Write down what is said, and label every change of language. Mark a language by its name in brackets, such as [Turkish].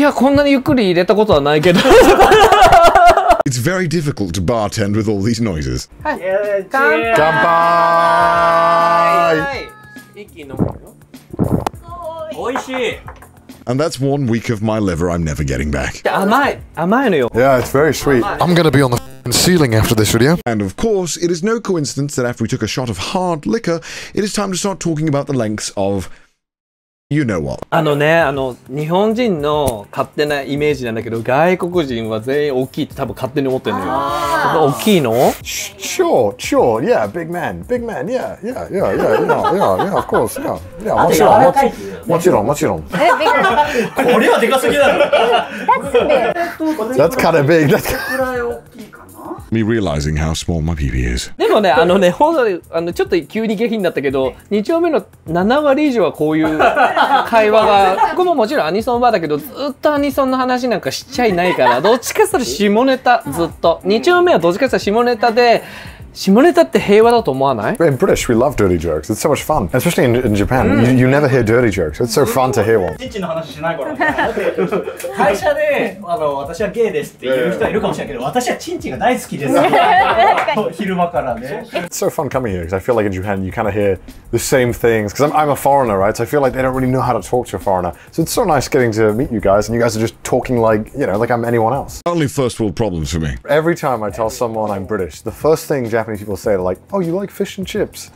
[Japanese] や、こんなにゆっくり入れたことはないけど。 [English] It's very difficult to bartend with all these noises. [Japanese] はい。乾杯。 [English] And that's one week of my liver I'm never getting back. Yeah, it's very sweet. I'm gonna be on the f***ing ceiling after this video. And of course, it is no coincidence that after we took a shot of hard liquor, it is time to start talking about the lengths of... You know what? [Japanese] あのね、あの、日本人の勝手なイメージなんだけど、外国人は全員大きいって多分勝手に思ってるのよ。大きいの？ [English] Sure, sure, yeah, big man, big man, yeah, of course, yeah, yeah, [Japanese] もちろん、もちろん、もちろん。これはでかすぎだろ。 [English] That's kind of big. That's kind of big. Me realizing how small my PP is. [Japanese] でもね、あのね、ほんとに、あの、ちょっと急に下品だったけど、2丁目の7割以上はこういう会話が、僕ももちろんアニソンバーだけど、ずっとアニソンの話なんかしちゃいないから、どっちかしたら下ネタ、ずっと。 2丁目はどっちかしたら下ネタで、下ネタって平和だと思わない？ [English] In British, we love dirty jokes. It's so much fun. Especially in Japan,、うん、you never hear dirty jokes. It's so fun to hear one. [Japanese] 父の話しないから。会社で、あの、私はゲイですっていう人はいるかもしれないけど、私はチンチンが大好きです。昼間からね。 [English] It's so fun coming here, because I feel like in Japan, you kind of hear the same things. Because I'm a foreigner, right? So I feel like they don't really know how to talk to a foreigner. So it's so nice getting to meet you guys, and you guys are just talking like, you know, like I'm anyone else. Only first world problems for me. Every time I tell someone I'm British, the first thing Japanese people say, like, oh, you like fish and chips?